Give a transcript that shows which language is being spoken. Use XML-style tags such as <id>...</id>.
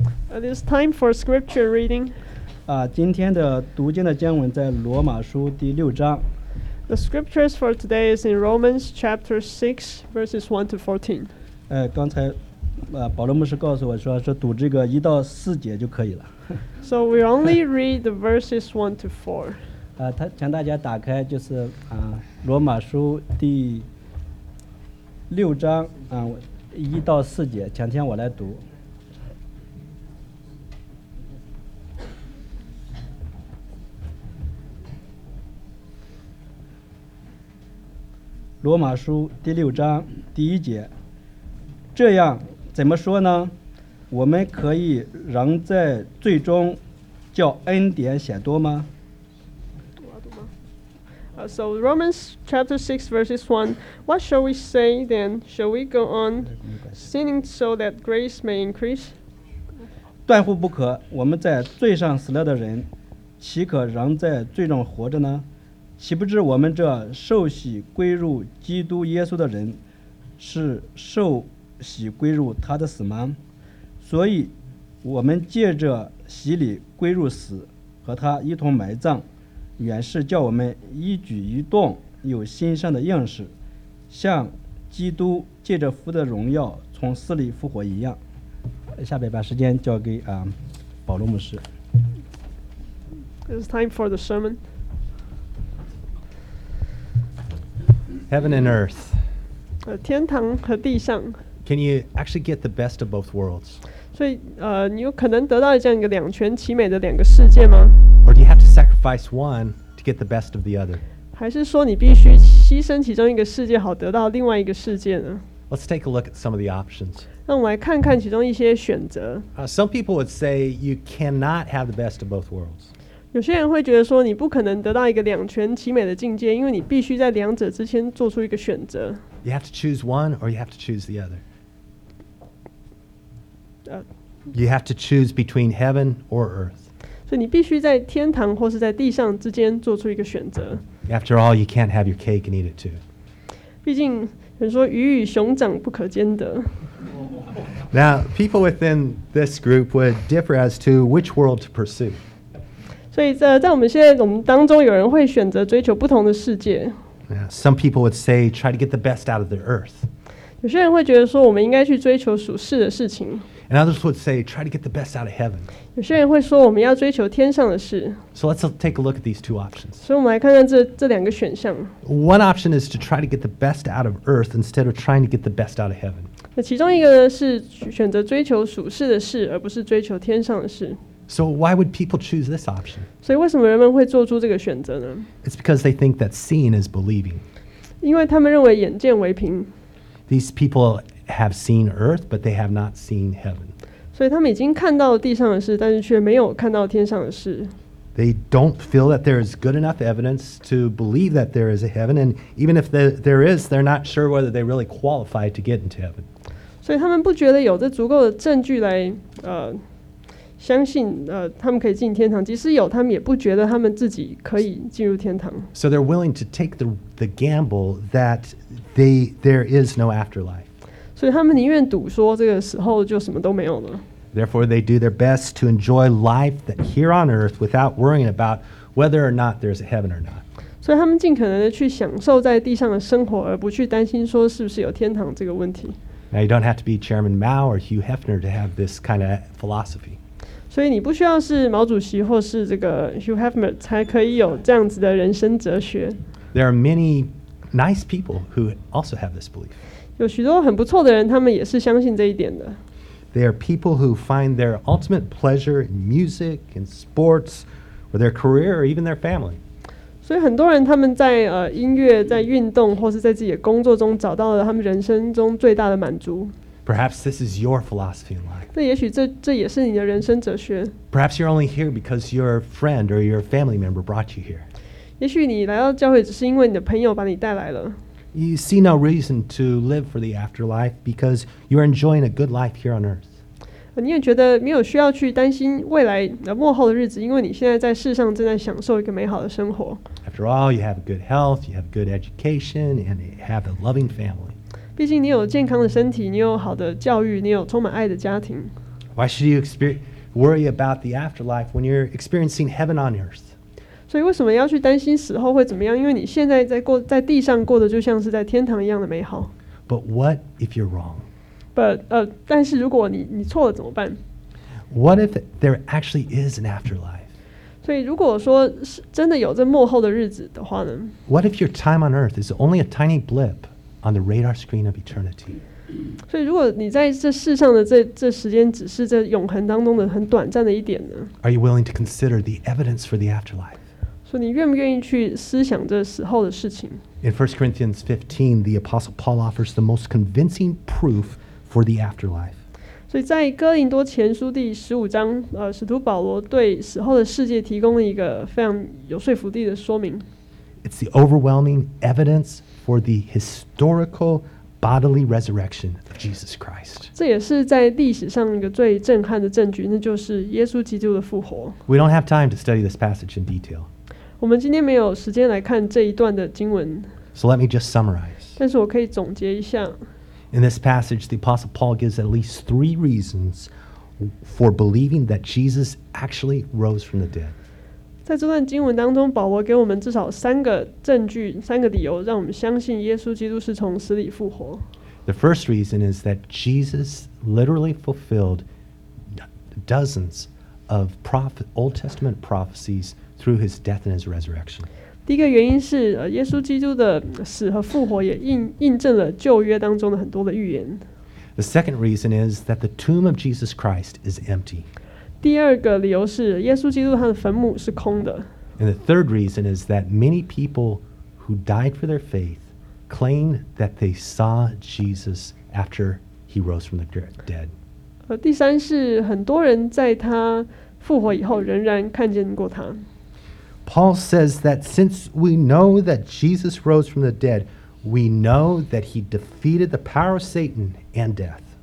<en>It is time for scripture reading.</en> <zh>今天的读经的经文在罗马书第六章。</zh> <en>The scriptures for today is in Romans chapter 6, verses 1 to 14.</en> <zh>刚才保罗牧师告诉我说是读这个一到四节就可以了。</zh> <en>So we only read the verses 1 to 4.</en> <zh>他请大家打开就是罗马书第六章一到四节，今天我来读。罗马书第六章第一节，这样怎么说呢？我们可以仍在罪中叫恩典显多吗？</zh> <en>So Romans chapter 6 verses 1, what shall we say then? Shall we go on sinning so that grace may increase?</en> <zh>断乎不可，我们在罪上死了的人，岂可仍在罪中活着呢？岂不知我们这受洗归入基督耶稣的人，是受洗归入他的死吗？所以我们借着洗礼归入死，和他一同埋葬，原是叫我们一举一动有新生的样式，像基督借着父的荣耀从死里复活一样。下面把时间交给保罗牧师。</zh> <en>It's time for the sermon. Heaven and earth.</en> <zh>天堂和地上。</zh> <en>Can you actually get the best of both worlds?</en> <zh>所以你有可能得到这样一个两全其美的两个世界吗？</zh> <en>Or do you have to sacrifice one to get the best of the other?</en> <zh>还是说你必须牺牲其中一个世界好得到另外一个世界呢？</zh> <en>Let's take a look at some of the options.</en> <zh>让我们来看看其中一些选择。</zh> <en>Some people would say you cannot have the best of both worlds.</en> <zh>有些人会觉得说你不可能得到一个两全其美的境界，因为你必须在两者之间做出一个选择。</zh> <en>You have to choose one or you have to choose the other. You have to choose between heaven or earth.</en> <zh>所以你必须在天堂或是在地上之间做出一个选择。</zh> <en>After all, you can't have your cake and eat it too.</en> <zh>毕竟有人说鱼与熊掌不可兼得。</zh> <en>Now, people within this group would differ as to which world to pursue.</en> <zh>所以在我们现在我们当中有人会选择追求不同的世界。</zh> <en>Some people would say try to get the best out of the earth.</en> <zh>有些人会觉得说我们应该去追求属世的事情。</zh> <en>And others would say, try to get the best out of heaven.</en> <zh>有些人会说我们要追求天上的事。</zh> <en>So let's take a look at these two options.</en> <zh>所以我们来看看这两个选项。</zh> <en>One option is to try to get the best out of earth instead of trying to get the best out of heaven.</en> <zh>那其中一个是选择追求属世的事，而不是追求天上的事。</zh> <en>So why would people choose this option?</en> <zh>所以为什么人们会做出这个选择呢？</zh> <en>It's because they think that seeing is believing.</en> <zh>因为他们认为眼见为凭。</zh> <en>These peoplehave seen earth, but they have not seen heaven.</en> <zh>所以他们已经看到地上的事，但是却没有看到天上的事。</zh> <en>They don't feel that there is good enough evidence to believe that there is a heaven, and even if there is, they're not sure whether they really qualify to get into heaven.</en> <zh>所以他们不觉得有这足够的证据来相信他们可以进天堂，即使有，他们也不觉得他们自己可以进入天堂。</zh> <en>So they're willing to take the gamble that there is no afterlife.</en> <zh>所以他们宁愿赌说这个时候就什么都没有了。</zh> <en>Therefore, they do their best to enjoy life that here on earth without worrying about whether or not there's a heaven or not.</en> <zh>所以他们尽可能的去享受在地上的生活，而不去担心说是不是有天堂这个问题。</zh> <en>Now, you don't have to be Chairman Mao or Hugh Hefner to have this kind of philosophy.</en> <zh>所以你不需要是毛主席或是这个 Hugh Hefner 才可以有这样子的人生哲学。</zh> <en>There are many nice people who also have this belief.</en> <zh>有许多很不错的人，他们也是相信这一点的。</zh> <en>They are people who find their ultimate pleasure in music, in sports, or their career, or even their family.</en> <zh>所以很多人他们在音乐、在运动或是在自己的工作中找到了他们人生中最大的满足。</zh> <en>Perhaps this is your philosophy in life.</en> <zh>那也许这也是你的人生哲学。</zh> <en>Perhaps you're only here because your friend or your family member brought you here.</en> <zh>也许你来到教会只是因为你的朋友把你带来了。</zh> <en>You see no reason to live for the afterlife because you're enjoying a good life here on earth.</en> <zh>你也觉得没有需要去担心未来末后的日子，因为你现在在世上正在享受一个美好的生活。</zh> <en>After all, you have good health, you have good education, and you have a loving family.</en> <zh>毕竟你有健康的身体，你有好的教育，你有充满爱的家庭。</zh> <en>Why should you worry about the afterlife when you're experiencing heaven on earth?</en> <zh>所以为什么要去担心死后会怎么样？因为你现在在过在地上过的就像是在天堂一样的美好。</zh> <en>But what if you're wrong? But</en> <zh>但是如果你错了怎么办？</zh> <en>What if there actually is an afterlife?</en> <zh>所以如果说真的有这幕后的日子的话呢？</zh> <en>What if your time on earth is only a tiny blip on the radar screen of eternity?</en> <zh>所以如果你在这世上的这时间只是这永恒当中的很短暂的一点呢？</zh> <en>Are you willing to consider the evidence for the afterlife?</en> <zh>所以你愿不愿意去思想这死后的事情？</zh> <en>In 1 Corinthians 15, the Apostle Paul offers the most convincing proof for the afterlife.</en> <zh>所以在哥林多前书第十五章，使徒保罗对死后的世界提供了一个非常有说服力的说明。</zh> <en>It's the overwhelming evidence for the historical bodily resurrection of Jesus Christ.</en> <zh>这也是在历史上一个最震撼的证据，那就是耶稣基督的复活。</zh> <en>We don't have time to study this passage in detail.</en> <zh>我们今天没有时间来看这一段的经文。</zh> <en>So let me just summarize.</en> <zh>但是我可以总结一下。</zh> <en>In this passage, the Apostle Paul gives at least three reasons for believing that Jesus actually rose from the dead.</en> <zh>在这段经文当中，保罗给我们至少三个证据，三个理由，让我们相信耶稣基督是从死里复活。</zh> <en>The first reason is that Jesus literally fulfilled dozens of Old Testament prophecies through his death and his resurrection.</en> <zh>第一个原因是，耶稣基督的死和复活也印证了旧约当中的很多的预言。</zh> <en>The second reason is that the tomb of Jesus Christ is empty.</en> <zh>第二个理由是，耶稣基督他的坟墓是空的。</zh> <en>And the third reason is that many people who died for their faith claimed that they saw Jesus after he rose from the dead.</en> <zh>第三是很多人在他复活以后仍然看见过他。</zh> <en>Paul says that since we know that Jesus rose from the dead, we know that he defeated the power of Satan and death.</en>